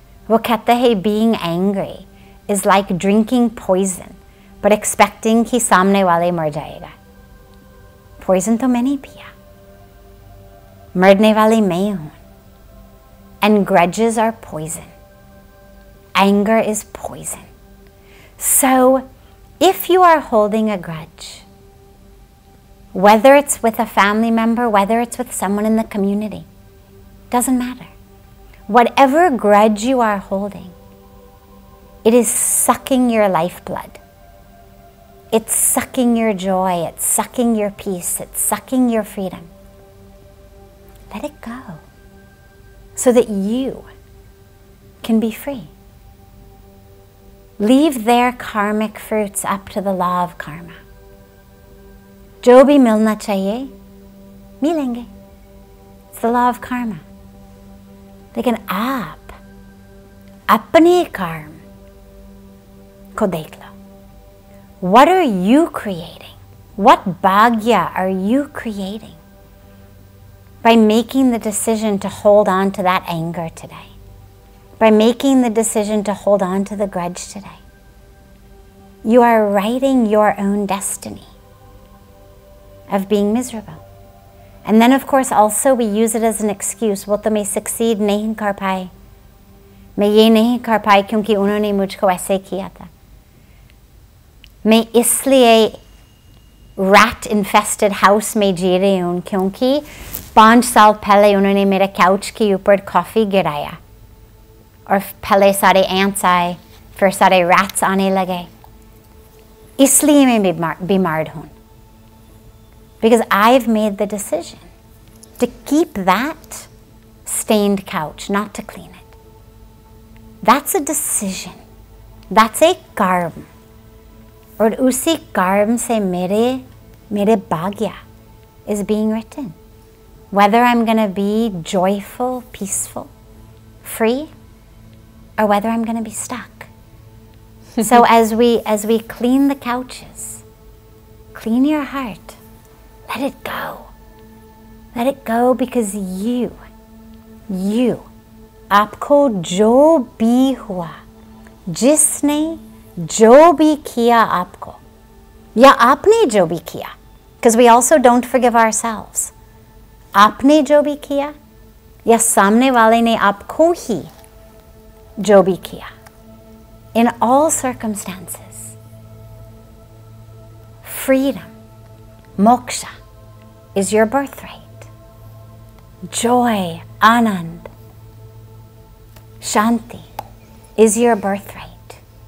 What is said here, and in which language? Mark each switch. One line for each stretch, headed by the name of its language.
Hindi: वो कहते हैं
English: being angry is like drinking poison but expecting
Hindi: कि सामने वाले मर जाएगा. पॉइजन तो मैंने पिया, मरने वाले मैं हूँ.
English: And grudges are poison, anger is poison. So if you are holding a grudge, whether it's with a family member, whether it's with someone in the community, doesn't matter. Whatever grudge you are holding, it is sucking your lifeblood. It's sucking your joy, it's sucking your peace, it's sucking your freedom. Let it go so that you can be free. Leave their karmic fruits up to the law of karma.
Hindi: जो भी मिलना चाहिए मिलेंगे.
English: It's the law of karma.
Hindi: लेकिन आप अपने कर्म को देख लो.
English: What are you creating? What bhagya are you creating by making the decision to hold on to that anger today? By making the decision to hold on to the grudge today? You are writing your own destiny of being miserable. And then of course also we use it as an excuse.
Hindi: वो तो मैं succeed नहीं कर पाए, मैं ये नहीं कर पाए क्योंकि उन्होंने मुझको ऐसे किया था. मैं इसलिए
English: rat infested house
Hindi: में जी रही हूँ क्योंकि 5 साल पहले उन्होंने मेरे couch के ऊपर कॉफी गिराया और पहले सारे ants आए, फिर सारे rats आने लगे. इसलिए मैं बीमार हूँ.
English: Because I've made the decision to keep that stained couch, not to clean it. That's a decision. That's a karma.
Hindi: Aur usi karma se mere bhagya
English: is being written. Whether I'm going to be joyful, peaceful, free, or whether I'm going to be stuck. So as we clean the couches, clean your heart. Let it go. Let it go because you,
Hindi: आपको जो भी हुआ, जिसने जो भी किया आपको, या आपने जो भी किया,
English: because we also don't forgive ourselves.
Hindi: आपने जो भी किया, या सामने वाले ने आपको ही जो भी किया.
English: In all circumstances, freedom, moksha, is your birthright. Joy, anand, shanti, is your birthright.